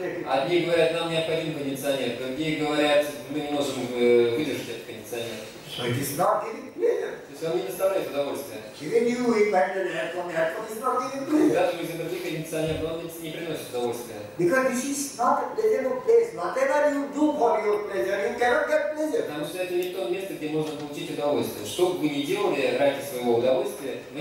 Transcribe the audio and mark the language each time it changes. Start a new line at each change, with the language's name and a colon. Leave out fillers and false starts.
Russian: Одни говорят, нам необходим кондиционер, другие говорят, мы не можем выдержать этот кондиционер.
English: So it is not giving pleasure.
Russian: То есть он не доставляет удовольствия.
English: Even you invented aircon, is not giving pleasure.
Russian: Даже мы изобрели кондиционер, но он не приносит удовольствия.
English: Because this is not a pleasurable place. Whatever you do for your pleasure, you cannot get pleasure.
Russian: Потому что это не то место, где можно получить удовольствие. Что бы вы ни делали ради своего удовольствия, мы